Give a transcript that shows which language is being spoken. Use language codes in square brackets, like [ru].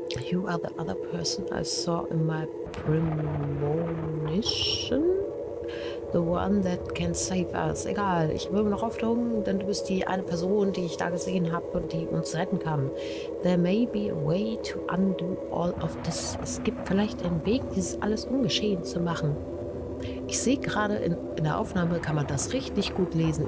[en] You are the other person I saw in my premonition. The one that can save us. [de] Egal, ich habe immer noch Hoffnung, denn du bist die eine Person, die ich da gesehen habe und die uns retten kann. [en] There may be a way to undo all of this. [de] Es gibt vielleicht einen Weg, dieses alles ungeschehen zu machen. Ich sehe gerade in der Aufnahme, kann man das richtig gut lesen.